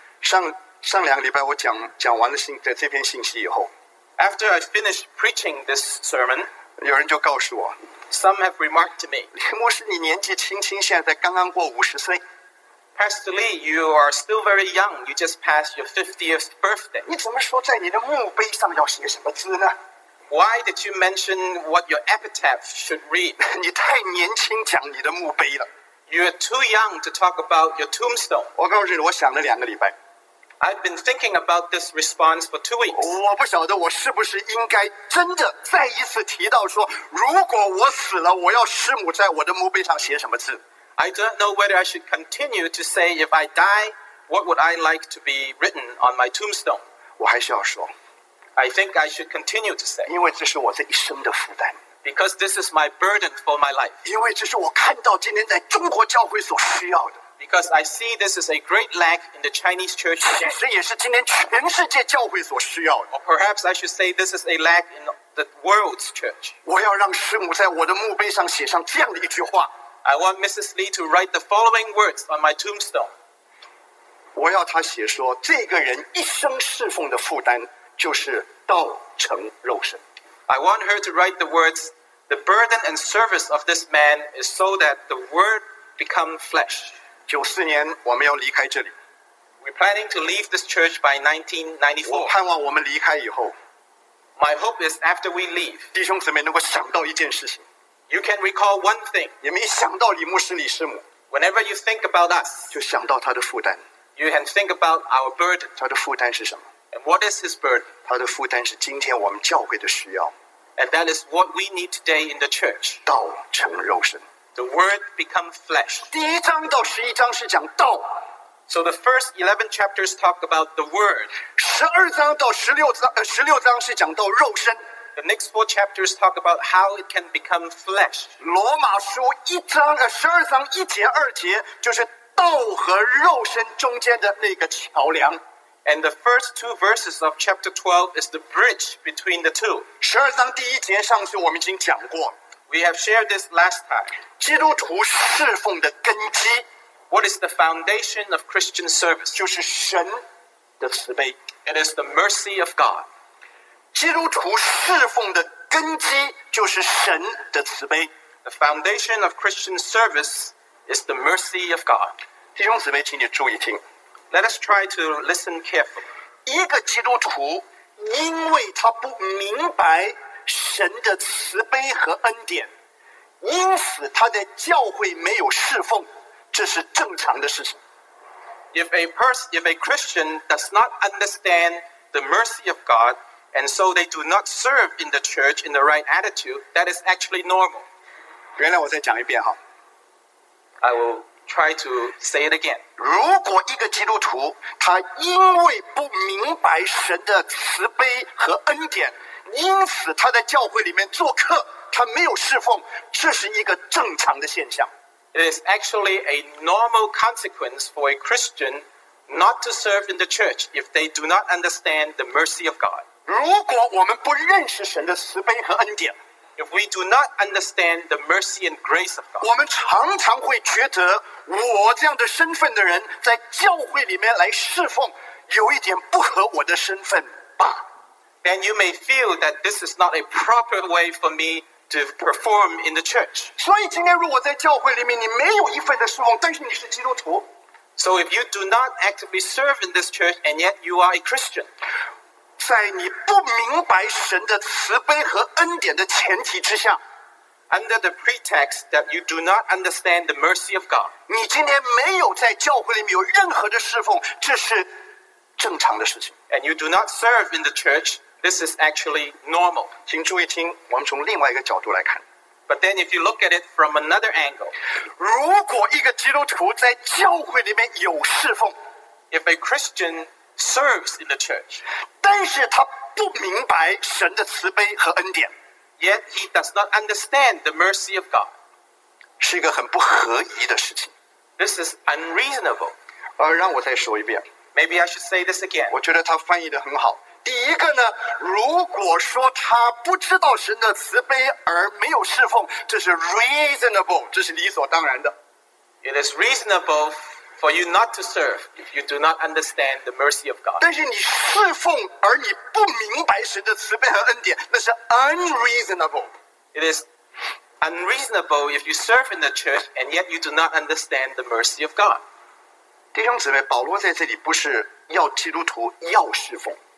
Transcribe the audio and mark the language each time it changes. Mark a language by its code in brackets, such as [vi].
[zh] 上两个礼拜我讲完了这篇信息以后。 [en] After I finished preaching this sermon, [zh] 有人就告诉我。 [en] Some have remarked to me, [zh] 林牧师，你年纪轻轻，现在刚刚过五十岁。 [en] Pastor Lee, you are still very young. You just passed your 50th birthday. [zh] 你怎么说在你的墓碑上要写什么字呢？ [en] Why did you mention what your epitaph should read? [zh] 你太年轻讲你的墓碑了。 [en] You are too young to talk about your tombstone. [zh] 我告诉你，我想了两个礼拜。 [en] I've been thinking about this response for 2 weeks. [zh] 我不晓得我是不是应该真的再一次提到说，如果我死了，我要师母在我的墓碑上写什么字。 [en] I don't know whether I should continue to say if I die, what would I like to be written on my tombstone? [zh] 我还是要说。 [en] I think I should continue to say. [zh] 因为这是我这一生的负担。 [en] Because this is my burden for my life. [zh] 因为这是我看到今天在中国教会所需要的。 [en] Because I see this is a great lack in the Chinese church. [zh] 其实也是今天全世界教会所需要的。 [en] Or perhaps I should say this is a lack in the world's church. [zh] 我要让师母在我的墓碑上写上这样的一句话。 [en] I want Mrs. Lee to write the following words on my tombstone. [zh] 我要她写说，这个人一生侍奉的负担就是道成肉身。 [en] I want her to write the words, the burden and service of this man is so that the word become flesh. [zh] 94年我们要离开这里。 [en] We're planning to leave this church by 1994. [zh] 我盼望我们离开以后。 [en] My hope is after we leave. [zh] 弟兄姊妹能够想到一件事情。 [en] You can recall one thing. [zh] 你们一想到李牧师李师母。 [en] Whenever you think about us. [zh] 就想到他的负担。 [en] You can think about our burden. [zh] 他的负担是什么？ [en] And what is his burden? [zh] 他的负担是今天我们教会的需要。 [en] And that is what we need today in the church. [zh] 道成肉身。 [en] The word become flesh. [zh] 第一章到十一章是讲道。 [en] So the first 11 chapters talk about the word. [zh] 十二章到十六章，十六章是讲到肉身。 [en] The next 4 chapters talk about how it can become flesh. [zh] 罗马书一章，十二章一节二节就是道和肉身中间的那个桥梁。 [en] And the first 2 verses of chapter 12 is the bridge between the two. [zh] 十二章第一节上次我们已经讲过。 [en] We have shared this last time. [zh] 基督徒侍奉的根基。 [en] What is the foundation of Christian service? [zh] 就是神的慈悲。 [en] It is the mercy of God. [zh] 基督徒侍奉的根基就是神的慈悲。 [en] The foundation of Christian service is the mercy of God. [zh] 弟兄姊妹，请你注意听。 [en] Let us try to listen carefully. [zh] 一个基督徒因为他不明白神的慈悲和恩典，因此他在教会没有侍奉，这是正常的事情。 [en] If a Christian does not understand the mercy of God, and so they do not serve in the church in the right attitude, that is actually normal. [zh] 原来我再讲一遍哈。 [en] I will try to say it again. [zh] 如果一个基督徒他因为不明白神的慈悲和恩典，因此他在教会里面做客，他没有侍奉，这是一个正常的现象。 [en] It is actually a normal consequence for a Christian not to serve in the church if they do not understand the mercy of God. [zh] 如果我们不认识神的慈悲和恩典， [en] if we do not understand the mercy and grace of God, [zh] 我们常常会觉得我这样的身份的人在教会里面来侍奉，有一点不合我的身份吧。 [en] Then you may feel that this is not a proper way for me to perform in the church. [zh] 所以今天如果在教会里面你没有一份的侍奉，但是你是基督徒。 [en] So if you do not actively serve in this church and yet you are a Christian, [zh] 在你不明白神的慈悲和恩典的前提之下， [en] under the pretext that you do not understand the mercy of God, [zh] 你今天没有在教会里面有任何的侍奉，这是正常的事情。 [en] And you do not serve in the church, this is actually normal. [zh] 请注意听，我们从另外一个角度来看。 [en] But then if you look at it from another angle, [zh] 如果一个基督徒在教会里面有侍奉， [en] if a Christian serves in the church, [zh] 但是他不明白神的慈悲和恩典， [en] yet he does not understand the mercy of God, [zh] 是一个很不合宜的事情。 [en] This is unreasonable. [zh] 让我再说一遍。 [en] Maybe I should say this again. [zh] 我觉得他翻译得很好。第一个呢，如果说他不知道神的慈悲而没有侍奉，这是 [en] reasonable, [zh] 这是理所当然的。 [en] It is reasonable for you not to serve if you do not understand the mercy of God. [zh] 但是你侍奉而你不明白神的慈悲和恩典，那是 [en] unreasonable. It is unreasonable if you serve in the church and yet you do not understand the mercy of God. [zh] 弟兄姊妹，保罗在这里不是要基督徒要侍奉。